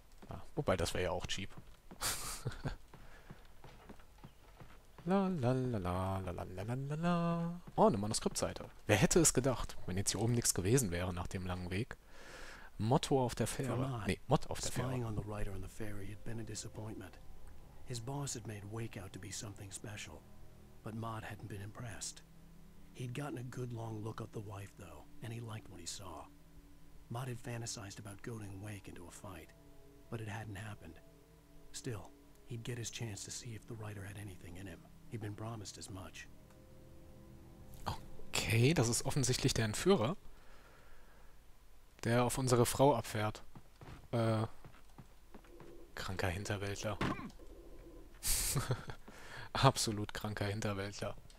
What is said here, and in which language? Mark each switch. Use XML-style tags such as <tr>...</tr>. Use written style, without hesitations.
<de>Ah, wobei, das wäre ja auch cheap. La la la la la la la la la la. Oh, eine Manuskriptseite. Wer hätte es gedacht, wenn jetzt hier oben nichts gewesen wäre nach dem langen Weg? Motto auf der Fähre. Nee, Mod auf der Fähre.</de> <en>Spying on the writer on the ferry had been a disappointment. His boss had made Wake out to be something special. But Mod hadn't been impressed. He'd gotten a good long look at the wife, though, and he liked what he saw. Mott had fantasized about goading Wake into a fight, but it hadn't happened. Still, he'd get his chance to see if the writer had anything in him. He'd been promised as much.</en> <de>Okay, das ist offensichtlich der Entführer, der auf unsere Frau abfährt. Kranker Hinterwäldler. Absolut kranker Hinterwäldler.</de>